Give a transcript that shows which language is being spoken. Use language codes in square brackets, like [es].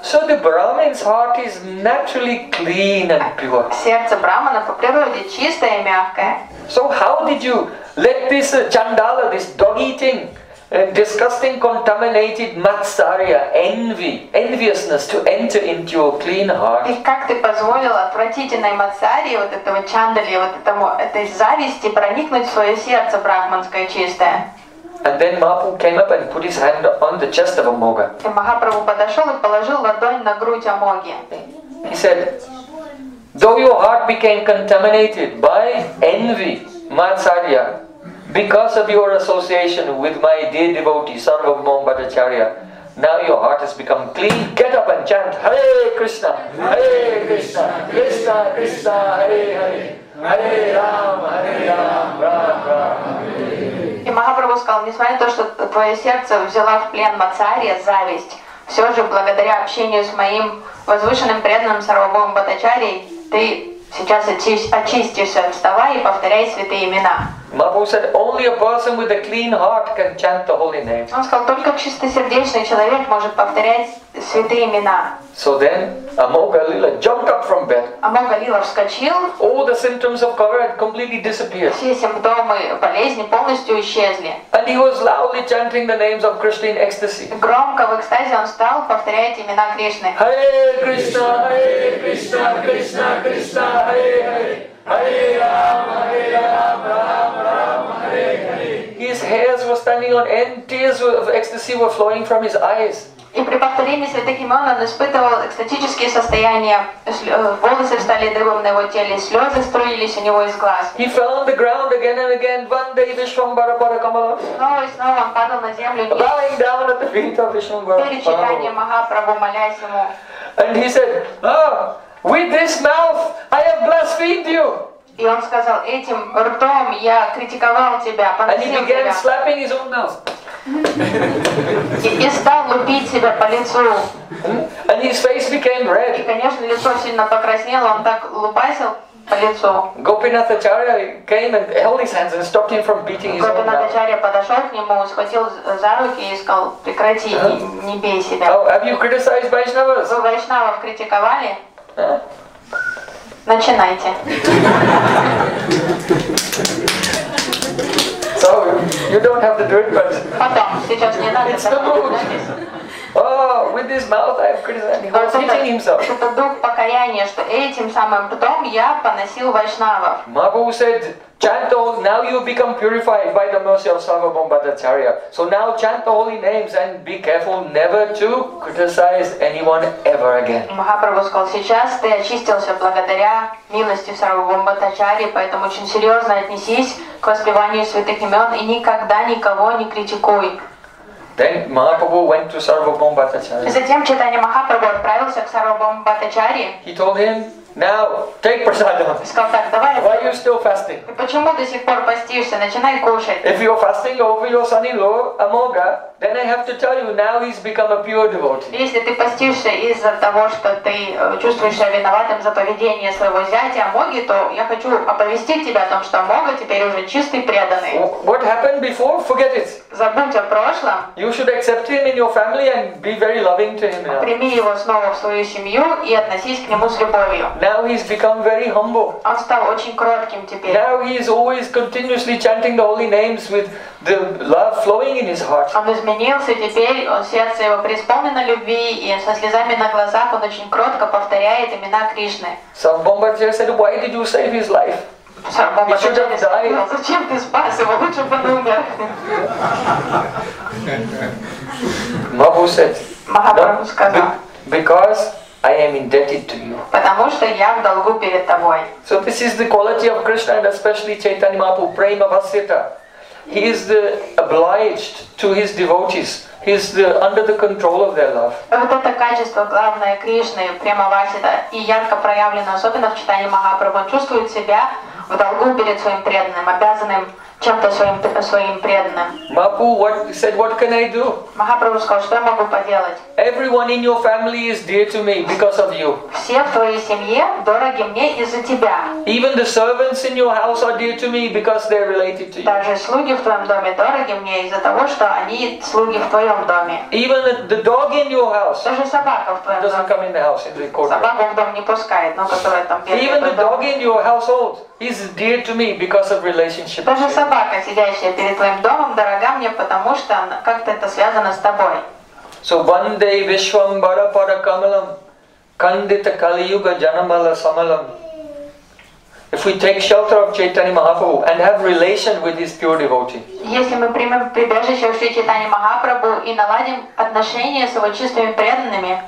[en] So the Brahmin's heart is naturally clean and pure. [ru] Сердце брахмана по природе чистое и мягкое. [en] So how did you let this chandala, this dog-eating, disgusting, contaminated matsarya, enviousness, to enter into your clean heart? [ru] И как ты позволил отвратительной матсарии, вот этого чандали, вот этому этой зависти проникнуть в свое сердце брахманское чистое? [en] And then Mahaprabhu came up and put his hand on the chest of Amoga. [ru] И Махапрабху подошел и положил ладонь на грудь Амоги. [en] He said, "Though your heart became contaminated by envy, Matsarya, because of your association with my dear devotee, Sarvabhaumacharya, now your heart has become clean. Get up and chant, [sa] Hare Krishna, Hare Krishna, Krishna Krishna, Krishna Hare Hare, Hare Ram, Hare Ram, Ram Ram." [ru] И Махапрабху сказал, несмотря на то, что твое сердце взяло в плен Мацария зависть, все же благодаря общению с моим возвышенным преданным Сарвабхаумом Бхаттачарьей, ты сейчас очистишься, вставай и повторяй святые имена. [en] Махапрабху said, only a person with a clean heart can chant the holy name. [ru] Он сказал, только чистосердечный человек может повторять святые имена. [en] So then, Amogha Lila jumped up from bed. [ru] Амога Лила вскочил. [en] All the symptoms of cholera had completely disappeared. [ru] Все симптомы болезни полностью исчезли. [en] And he was loudly chanting the names of Krishna in ecstasy. [ru] Громко в экстазе он стал повторять имена Кришны. [sa] Hare Krishna, Hare Krishna, Krishna Krishna, Hare Hare. Hare Rama, Hare Rama, Rama Rama, Hare Hare. [en] His hairs were were standing on end, tears of ecstasy were flowing from his eyes. [ru] И при повторении святых имен он испытывал экстатические состояния. Волосы встали дыбом на его теле, слезы струились у него из глаз. [en] He fell on the ground again and again, [sa] Vande Vishwambhara Pada Kamala. [ru] Снова и снова он падал на землю. [en] Bowing down at the feet of Vishwambhara Pada Kamala. [ru] Перед читанием Махапрабху, молясь ему. [en] And he said, oh, with this mouth I have blasphemed you. [ru] И он сказал, этим ртом я критиковал тебя, поносил тебя. [en] And he began slapping his own mouth. [ru] И стал лупить себя по лицу. [en] And his face became red. [ru] И, конечно, лицо сильно покраснело, он так лупасил по лицу. [en] Gopinath Acharya came and held his hands and stopped him from beating his own mouth. [ru] Gopinath Acharya подошел к нему, схватил за руки и сказал, прекрати, не бей себя. [en] Oh, have you criticized Vaishnavas? [ru] Вы Вайшнавов критиковали? Начинайте. [en] So, you don't have to do it, but... [ru] Потом, сейчас не надо. [en] It's the mood. Oh, with his mouth I have criticized. He was hitting himself. [ru] Это дух покаяния, что этим самым ртом я поносил Вайшнавов. [en] Mahaprabhu said, chant all, now you become purified by the mercy of Sarvabhauma Bhattacharya. So now chant the holy names and be careful never to criticize anyone ever again. [ru] Махапрабху сказал, сейчас ты очистился благодаря милости Сарвабхаума Бхаттачарьи, поэтому очень серьезно отнесись к воспеванию святых имен и никогда никого не критикуй. [en] Then Mahaprabhu went to Sarvabhauma Bhattacharya. [ru] Затем Чайтанья Махапрабху отправился к Сарвабхауму Бхаттачарьи. [en] He told him, now take prasadam. [ru] Сказал так, давай. [en] Why are you still fasting? [ru] Почему до сих пор постишься? Начинай кушать. [en] If you're fasting over your son-in-law Amogha, then I have to tell you, now he's become a pure devotee. [ru] Если ты постишься из-за того, что ты чувствуешь себя виноватым за поведение своего зятя Амоги, то я хочу оповестить тебя о том, что Амога теперь уже чистый преданный. [en] What happened before? Forget it. [ru] Забудь о прошлом. [en] You should accept him in your family and be very loving to him. [ru] Прими его снова в свою семью и относись к нему с любовью. [en] Now he's become very humble. [ru] Он стал очень кротким теперь. [en] Now he is always continuously chanting the holy names with the love flowing in his heart. [ru] Он изменился теперь, он сердце его преисполнено любви, и со слезами на глазах он очень кротко повторяет имена Кришны. [en] Sarvabhauma Bhattacharya said, why did you save his life? He should have died. [ru] Зачем ты спас его? Лучше бы он умер. [en] Mahaprabhu said, [ru] Mahaprabhu сказал, [en] because I am indebted to you. [ru] Потому что я в долгу перед тобой. [en] So this is the quality of Krishna and especially Chaitanya Mahaprabhu, prema vasita. He is the obliged to his devotees. He is the under the control of their love. [ru] Вот это качество главное Кришны, према васита, и ярко проявлено, особенно в читании Махапрабху. Он чувствует себя в долгу перед своим преданным, обязанным чем-то своим преданным. [en] Mahaprabhu said, what can I do? [ru] Махапрабху сказал, что я могу поделать? [en] Everyone in your family is dear to me because of you. [ru] Все в твоей семье дороги мне из-за тебя. [en] Even the servants in your house are dear to me because they're related to you. [ru] Даже слуги в твоем доме дороги мне из-за того, что они слуги в твоем доме. [en] Even the dog in your house. [ru] Даже собака в твоем доме. [en] Doesn't come in the house in the courtyard. [ru] Собаку в дом не пускает, но которая там бегает. [en] Even the dog in your household is dear to me because of relationship. [ru] Даже собака, сидящая перед твоим домом, дорога мне, потому что как-то это связано с тобой. [sa] So Vande Vishwambhara Pada Kamalam Kandita Kali Yuga Janamala Samalam. [en] If we take shelter of Chaitanya Mahaprabhu and have relation with his pure devotee. [ru] Если мы примем прибежище в Чайтанья Махапрабху и наладим отношения с его чистыми преданными.